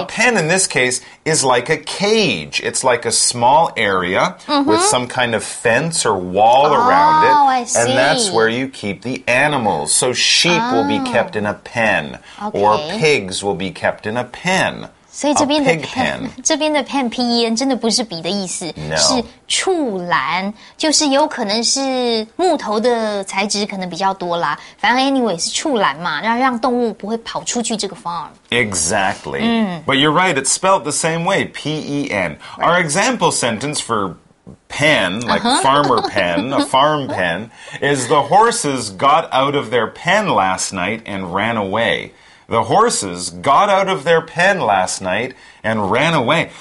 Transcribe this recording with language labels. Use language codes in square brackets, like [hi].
[en] A pen in this case is like a cage. It's like a small area、mm-hmm. with some kind of fence or wall around it. Oh, I see. And that's where you keep the animals. So sheep、oh. will be kept in a pen,、 okay. or pigs will be kept in a pen. [zh] 所以这边的 pen 这边的 pen 真的不是笔的意思、 no. 是畜栏就是有可能是木头的材质可能比较多啦反正 anyway 是畜栏嘛 让动物不会跑出去这个 farm [en] Exactly、mm. But you're right, it's spelled the same way, P-E-N、right. Our example sentence for pen, like、uh-huh. farmer pen, a farm pen is the horses got out of their pen last night and ran awayThe horses got out of their pen last night and ran away.